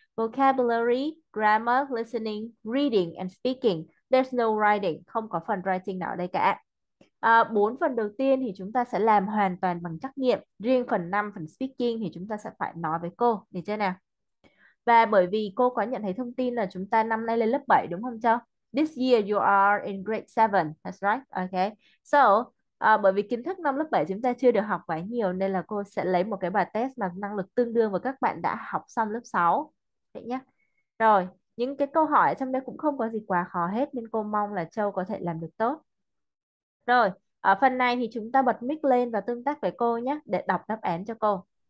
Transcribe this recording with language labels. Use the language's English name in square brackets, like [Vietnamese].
[English] Vocabulary, grammar, listening, reading and speaking. There's no writing, [Vietnamese] không có phần writing nào ở đây cả. Bốn phần đầu tiên thì chúng ta sẽ làm hoàn toàn bằng trắc nghiệm. Riêng phần 5, phần speaking thì chúng ta sẽ phải nói với cô. Để chơi nào. Và bởi vì cô có nhận thấy thông tin là chúng ta năm nay lên lớp 7 đúng không cho? [English] This year you are in grade 7, that's right. Okay. [Vietnamese] So, bởi vì kiến thức năm lớp 7 chúng ta chưa được học quá nhiều nên là cô sẽ lấy một cái bài test mà năng lực tương đương với các bạn đã học xong lớp 6. Vậy nhé. Rồi, những cái câu hỏi ở trong đây cũng không có gì quá khó hết nên cô mong là Châu có thể làm được tốt. Rồi, ở phần này thì chúng ta bật mic lên và tương tác với cô nhé để đọc đáp án cho cô.